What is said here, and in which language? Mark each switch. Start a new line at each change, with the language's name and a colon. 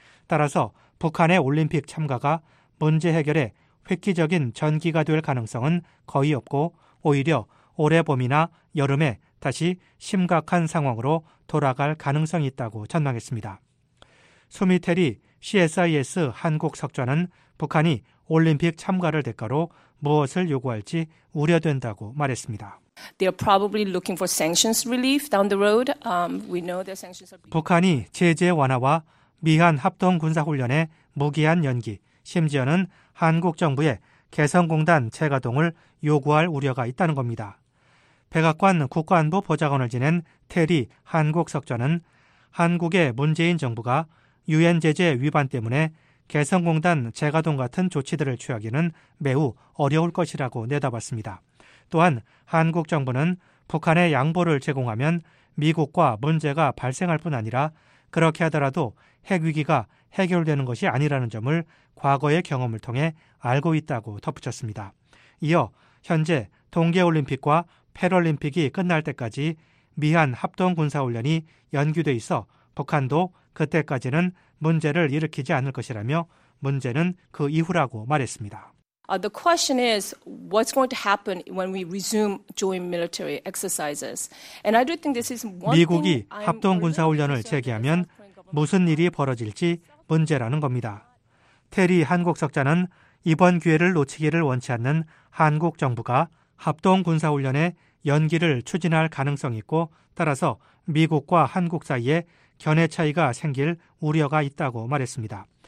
Korean: 따라서 북한의 올림픽 참가가 문제 해결에 획기적인 전기가 될 가능성은 거의 없고 오히려 올해 봄이나 여름에 다시 심각한 상황으로 돌아갈 가능성이 있다고 전망했습니다. 수미테리 CSIS 한국 석좌는 북한이 올림픽 참가를 대가로 무엇을 요구할지 우려된다고 말했습니다.
English: They are probably looking for sanctions relief down the road. We know the sanctions are
Korean: 북한이 제재 완화와 미한 합동 군사 훈련의 무기한 연기, 심지어는 한국 정부의 개성공단 재가동을 요구할 우려가 있다는 겁니다. 백악관 국가안보 보좌관을 지낸 테리 한국 석좌는 한국의 문재인 정부가 유엔 제재 위반 때문에 개성공단 재가동 같은 조치들을 취하기는 매우 어려울 것이라고 내다봤습니다. 또한 한국 정부는 북한에 양보를 제공하면 미국과 문제가 발생할 뿐 아니라 그렇게 하더라도 핵위기가 해결되는 것이 아니라는 점을 과거의 경험을 통해 알고 있다고 덧붙였습니다. 이어 현재 동계올림픽과 패럴림픽이 끝날 때까지 미한 합동군사훈련이 연기돼 있어 북한도 그때까지는 문제를 일으키지 않을 것이라며 문제는 그 이후라고 말했습니다.
English: The question is what's going to happen when we resume joint military exercises. And I do think this is one thing.
Korean: 미국이 합동군사훈련을 재개하면 무슨 일이 벌어질지 문제라는 겁니다. 테리 한국 석자는 이번 기회를 놓치기를 원치 않는 한국 정부가 합동군사훈련의 연기를 추진할 가능성이 있고 따라서 미국과 한국 사이에 견해 차이가 생길 우려가 있다고 말했습니다.